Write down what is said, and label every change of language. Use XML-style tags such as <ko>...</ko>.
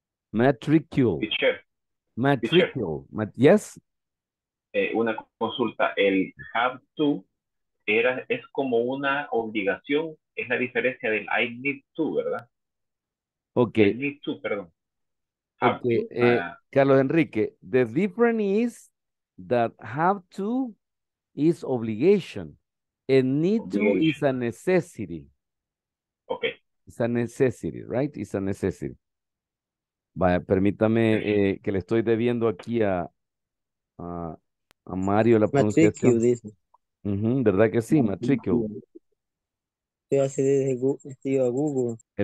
<en>Matricule. Matricule. Yes.</en> <es>Una consulta. El have to era, es como una obligación. Es la diferencia del</es> <en>I need to,</en> <es>¿verdad?</es> <en>Ok. I need to, perdón. Okay. Carlos Enrique, the difference is that have to is obligation and need to is a necessity. Ok. It's a necessity, right? It's a necessity.</en> <es>Vaya, permítame que le estoy debiendo aquí a Mario la pronunciación. Matricule, dice. Uh-huh, ¿verdad que sí? Matricule. El tío Google.</es>